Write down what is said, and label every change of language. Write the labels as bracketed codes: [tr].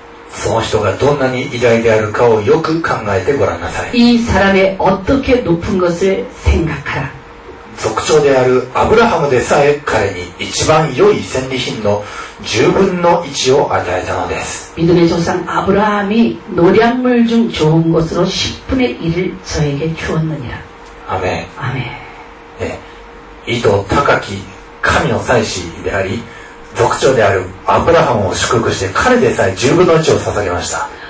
[ja] その人がどんなに偉大であるかをよく考えてごらんなさい、 [ko] 이사람의어떻게높은것을생각하라、 [ja] 族長であるアブラハムでさえ彼に一番良い戦利品の10分の1を与えたのです。 [ko] 믿음의조상아브라함이노략물중좋은것으로10분의1을저에게주었느니라。 아멘 아멘、 [ja] 네、意図高き神の祭司であり族長であるアブラハムを祝福して彼でさえ10分の1を捧げました。